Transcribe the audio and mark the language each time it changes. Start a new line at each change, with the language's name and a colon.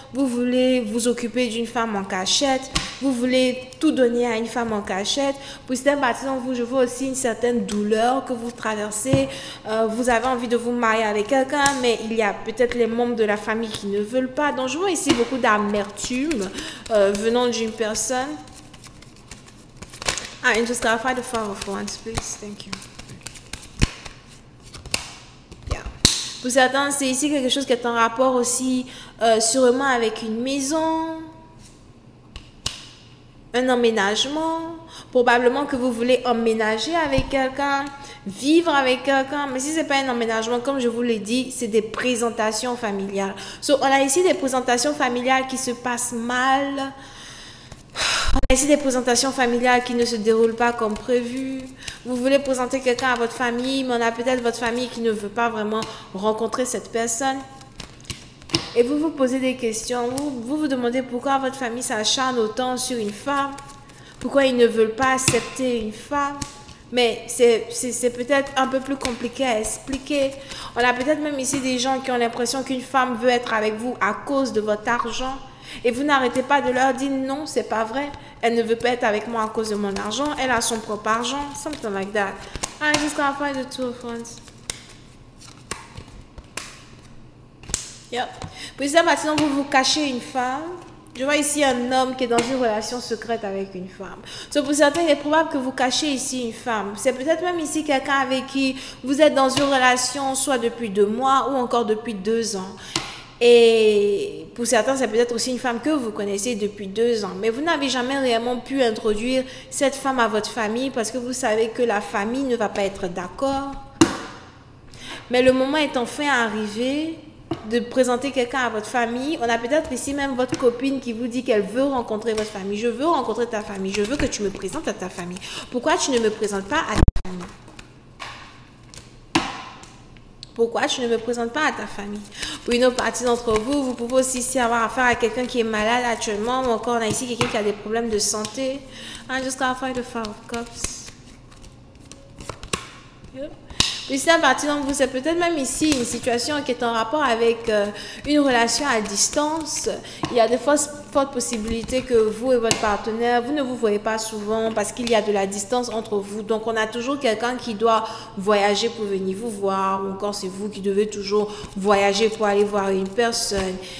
French: Vous voulez vous occuper d'une femme en cachette. Vous voulez tout donner à une femme en cachette. Pour cette partie, donc, vous, je vois aussi une certaine douleur que vous traversez. Vous avez envie de vous marier avec quelqu'un, mais il y a peut-être les membres de la famille qui ne veulent pas. Donc, je vois ici beaucoup d'amertume venant d'une personne.
English: Ah, and just clarify the Four of Wands, please. Thank you.
French: Pour certains, c'est ici quelque chose qui est en rapport aussi sûrement avec une maison. Un emménagement, probablement que vous voulez emménager avec quelqu'un, vivre avec quelqu'un, mais si c'est pas un emménagement, comme je vous l'ai dit, c'est des présentations familiales. So, on a ici des présentations familiales qui se passent mal. On a ici des présentations familiales qui ne se déroulent pas comme prévu. Vous voulez présenter quelqu'un à votre famille, mais on a peut-être votre famille qui ne veut pas vraiment rencontrer cette personne. Et vous vous posez des questions, vous vous demandez pourquoi votre famille s'acharne autant sur une femme, pourquoi ils ne veulent pas accepter une femme. Mais c'est peut-être un peu plus compliqué à expliquer. On a peut-être même ici des gens qui ont l'impression qu'une femme veut être avec vous à cause de votre argent. Et vous n'arrêtez pas de leur dire non, c'est pas vrai. Elle ne veut pas être avec moi à cause de mon argent. Elle a son propre argent.
English: Something like that. I just got five to two friends. Yep.
French: Puis là, maintenant, vous vous cachez une femme. Je vois ici un homme qui est dans une relation secrète avec une femme. So, pour certains, il est probable que vous cachez ici une femme. C'est peut-être même ici quelqu'un avec qui vous êtes dans une relation, soit depuis 2 mois ou encore depuis 2 ans. Et pour certains, c'est peut-être aussi une femme que vous connaissez depuis 2 ans. Mais vous n'avez jamais réellement pu introduire cette femme à votre famille parce que vous savez que la famille ne va pas être d'accord. Mais le moment est enfin arrivé de présenter quelqu'un à votre famille. On a peut-être ici même votre copine qui vous dit qu'elle veut rencontrer votre famille. Je veux rencontrer ta famille. Je veux que tu me présentes à ta famille. Pourquoi tu ne me présentes pas à ta famille? Pourquoi tu ne me présentes pas à ta famille? Pour une autre partie d'entre vous, vous pouvez aussi avoir affaire à quelqu'un qui est malade actuellement. Ou encore, on a ici quelqu'un qui a des problèmes de santé.
English: I'm just gonna find the Five of Cups.
French: Puis c'est un parti dans vous, c'est peut-être même ici une situation qui est en rapport avec une relation à distance. Il y a de fortes possibilités que vous et votre partenaire, vous ne vous voyez pas souvent parce qu'il y a de la distance entre vous. Donc on a toujours quelqu'un qui doit voyager pour venir vous voir, ou encore c'est vous qui devez toujours voyager pour aller voir une personne.